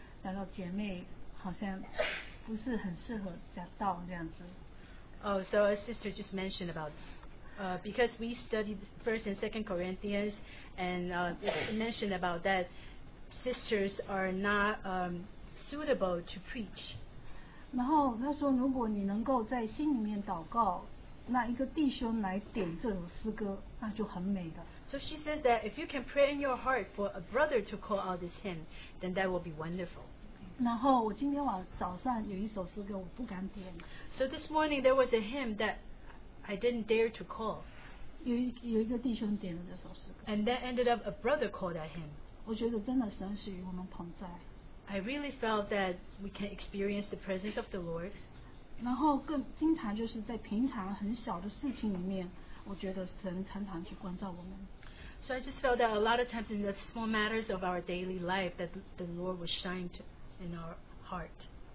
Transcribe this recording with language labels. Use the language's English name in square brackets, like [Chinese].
[Chinese] 讲到姐妹好像不是很适合讲道这样子。 [English] Oh, so a sister just mentioned about, because we studied First and Second Corinthians, and mentioned about that sisters are not suitable to preach. [Chinese] 然后他说，如果你能够在心里面祷告，那一个弟兄来点这首诗歌，那就很美的。 [English] So she said that if you can pray in your heart for a brother to call out this hymn, then that will be wonderful. [Chinese] 然后我今天早上有一首诗歌我不敢点。 [English] So this morning there was a hymn that I didn't dare to call. [Chinese] 有一个弟兄点了这首诗歌。 [English] And that ended up a brother called that hymn. [Chinese] 我觉得真的神是与我们同在。 [English] I really felt that we can experience the presence of the Lord. [Chinese] 然后更经常就是在平常很小的事情里面，我觉得神常常去关照我们。 [English] So I just felt that a lot of times in the small matters of our daily life that the Lord was shining in our heart.